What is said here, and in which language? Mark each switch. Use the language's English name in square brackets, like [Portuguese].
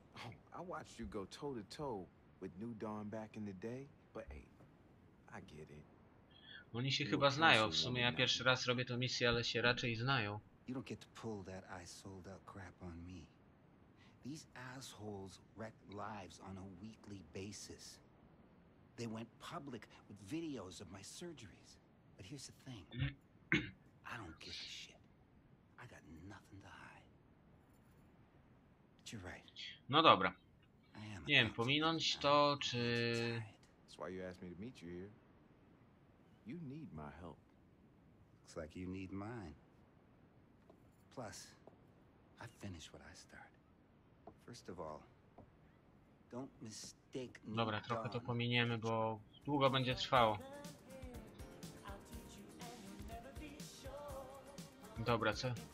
[English] Oh, I watched you go toe-to-toe with New Dawn back in the day, but hey, I get it. [Polish] Oni się chyba znają. W sumie ja pierwszy raz robię tę misję, ale się raczej znają. [English] You don't get to pull that I sold out crap on me. These assholes wreck lives on a weekly basis. They went public with videos of my surgeries. But here's the thing. I don't give a shit. I got nothing to hide. But you're right. [Polish] No dobra. Nie wiem, pominąć to, czy... [English] That's why you asked me to meet you here. You need my help. Looks like you need mine. Plus, I finish what I start. First of all, don't mistake me. [Polish] Dobra, trochę to pominiemy, bo długo będzie trwało. Dobra, co?